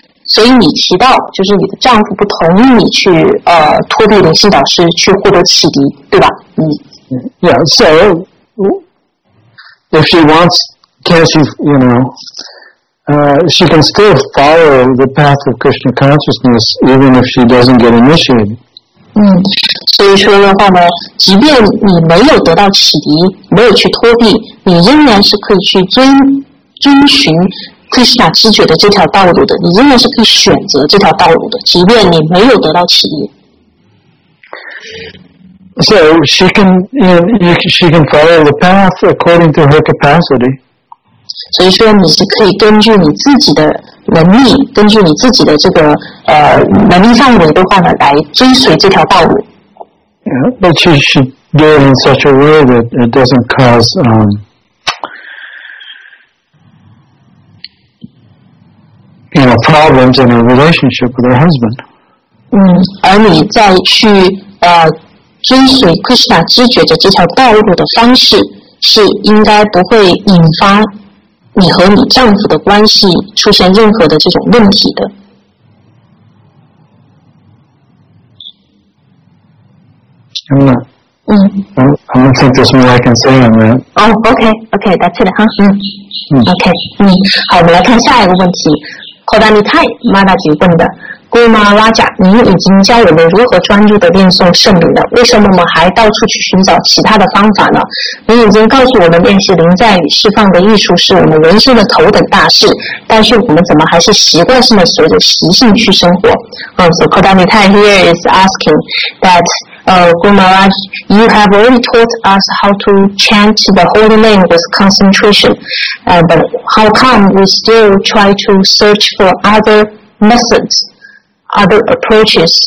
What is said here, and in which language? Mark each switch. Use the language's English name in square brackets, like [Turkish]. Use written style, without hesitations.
[Chinese] 所以你提到就是你的丈夫不同意你去脱离灵性导师去获得启迪，对吧？ [English] Yeah, so if she wants, can she, you know,she can still follow the path of Krishna consciousness even if she doesn't get initiated. [Chinese] 所以说的话呢，即便你没有得到启迪，没有去脱避，你仍然是可以去遵循 Krishna 知觉的这条道路的，你仍然是可以选择这条道路的，即便你没有得到启迪。 [English] So she can, she can follow the path according to her capacity. [Chinese] 所以说你是可以根据你自己的能力，根据你自己的这个能力范围的话呢，来追随这条道路。 [English] Yeah, but she should do it in such a way that it doesn't cause problems. problems in her relationship with her husband. [Chinese] 而你再去追随 Krishna 知觉的这条道路的方式，是应该不会引发你和你丈夫的关系出现任何的这种问题的。 [English] I don't think there's more I can say on that. Oh, okay, okay, that's it, huh? Okay, [Chinese] 好，我们来看下一个问题。 Kodanitai Madaji 问的 ，Guma Raja， 您已经教我们如何专注地念诵圣名了，为什么我们还到处去寻找其他的方法呢？您已经告诉我们练习临在与释放的艺术是我们人生的头等大事，但是我们怎么还是习惯性地随着习性去生活？ [English] So Kodanitai here is asking that. Gumaraj, you have already taught us how to chant the holy name with concentration, but how come we still try to search for other methods, other approaches?